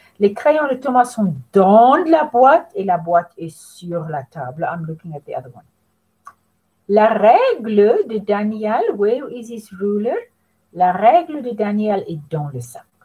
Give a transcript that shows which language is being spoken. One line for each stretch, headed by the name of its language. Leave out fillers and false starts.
French: Les crayons de Thomas sont dans la boîte et la boîte est sur la table.
English: I'm looking at the other one.
French: La règle de Daniel,
English: where is his ruler?
French: La règle de Daniel est dans le sac.